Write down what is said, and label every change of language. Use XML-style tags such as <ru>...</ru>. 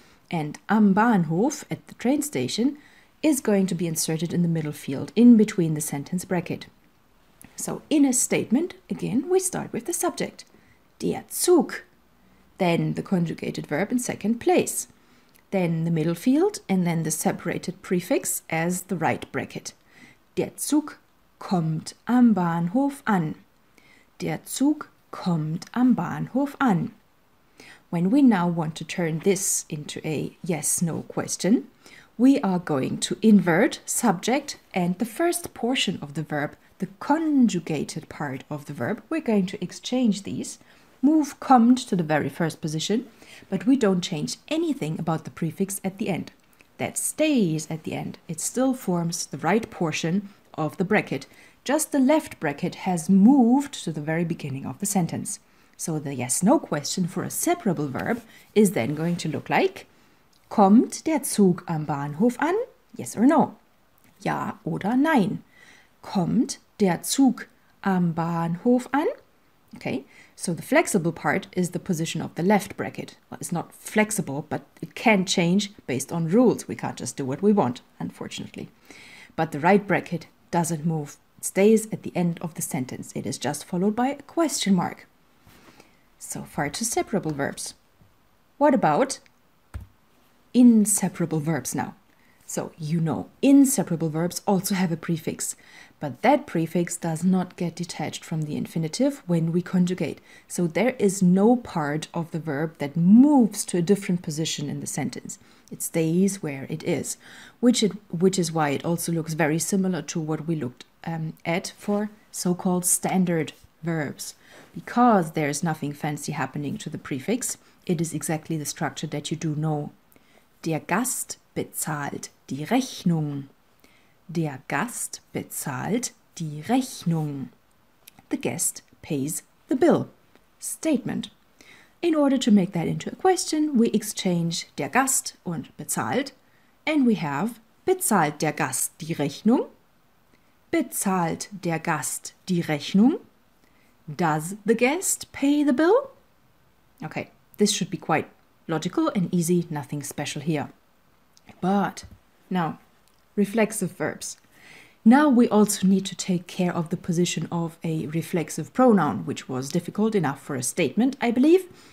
<en>And</en> <de>am Bahnhof,</de> <en>at the train station, is going to be inserted in the middle field in between the sentence bracket. So in a statement, again, we start with the subject, der Zug, then the conjugated verb in second place, then the middle field, and then the separated prefix as the right bracket.</en> <de>Der Zug kommt am Bahnhof an. Der Zug kommt am Bahnhof an.</de> <en>When we now want to turn this into a yes-no question, we are going to invert subject and the first portion of the verb, the conjugated part of the verb. We're going to exchange these, move kommt to the very first position, but we don't change anything about the prefix at the end. That stays at the end. It still forms the right portion of the bracket. Just the left bracket has moved to the very beginning of the sentence. So the yes-no question for a separable verb is then going to look like,</en> <de>kommt der Zug am Bahnhof an?</de> <en>Yes or no?</en> <de>Ja oder nein? Kommt der Zug am Bahnhof an?</de> <en>Okay, so the flexible part is the position of the left bracket. Well, it's not flexible, but it can change based on rules. We can't just do what we want, unfortunately. But the right bracket doesn't move. It stays at the end of the sentence. It is just followed by a question mark. So far to separable verbs. What about inseparable verbs now? So, you know, inseparable verbs also have a prefix, but that prefix does not get detached from the infinitive when we conjugate. So there is no part of the verb that moves to a different position in the sentence. It stays where it is, which is why it also looks very similar to what we looked at for so-called standard verbs. Because there is nothing fancy happening to the prefix, it is exactly the structure that you do know.</en> <de>Der Gast bezahlt die Rechnung. Der Gast bezahlt die Rechnung.</de> <en>The guest pays the bill. Statement. In order to make that into a question, we exchange</en> <de>der Gast und bezahlt,</de> <en>and we have</en> <de>bezahlt der Gast die Rechnung? Bezahlt der Gast die Rechnung?</de> <en>Does the guest pay the bill? Okay, this should be quite logical and easy, nothing special here. But now, reflexive verbs. Now we also need to take care of the position of a reflexive pronoun, which was difficult enough for a statement, I believe.</en>